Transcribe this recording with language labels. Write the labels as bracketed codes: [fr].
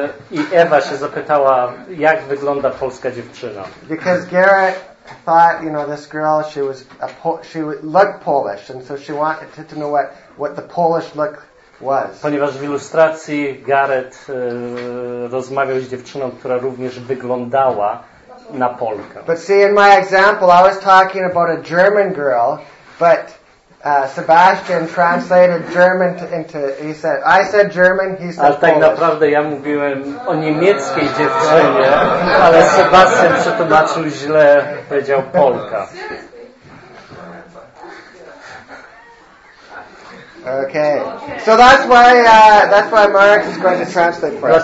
[pl] I Ewa się zapytała, jak wygląda polska dziewczyna. [en] Because Garrett thought, you know, this girl, she was a she looked Polish, and so she wanted to know what the Polish look was. [pl] Ponieważ w ilustracji Garrett rozmawiał z dziewczyną, która również wyglądała na Polkę. [en] But see, in my example, I was talking about a German girl, but Sebastian translated German into, he said, I said German, he said [pl] Polish. Ale tak naprawdę ja mówiłem o niemieckiej dziewczynie, ale Sebastian przetłumaczył źle, powiedział Polka. [en] Okay, so that's why Marek is going to translate for us.